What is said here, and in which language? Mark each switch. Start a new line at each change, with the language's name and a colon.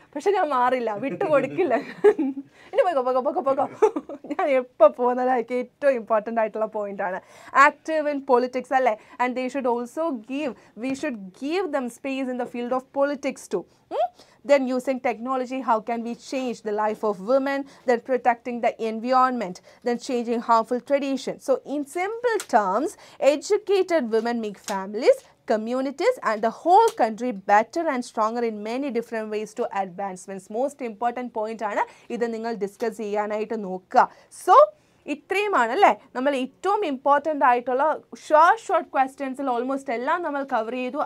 Malayalam: പക്ഷെ ഞാൻ മാറില്ല, വിട്ടുകൊടുക്കില്ല. ഇനി പോകോ പോകോ പോകോ പോകോ. ഞാൻ എപ്പോൾ പോകുന്നതായിരിക്കും ഏറ്റവും ഇമ്പോർട്ടൻ്റ് ആയിട്ടുള്ള പോയിന്റാണ്.
English: active in politics
Malayalam: അല്ലേ,
English: And they should also give we should give them space in the field of politics too. Then using technology, how can we change the life of women? Then protecting the environment. Then changing harmful traditions. So in simple terms, educated women make families, communities and the whole country better and stronger in many different ways to advancements.
Malayalam: Most important point ആണ് ഇത് നിങ്ങൾ discuss ചെയ്യാനായിട്ട് നോക്കുക. So ഇത്രയുമാണ് അല്ലേ നമ്മൾ ഏറ്റവും important ആയിട്ടുള്ള ഷോർട്ട് ഷോർട്ട് ക്വസ്റ്റ്യൻസിൽ ഓൾമോസ്റ്റ് എല്ലാം നമ്മൾ കവർ ചെയ്തു.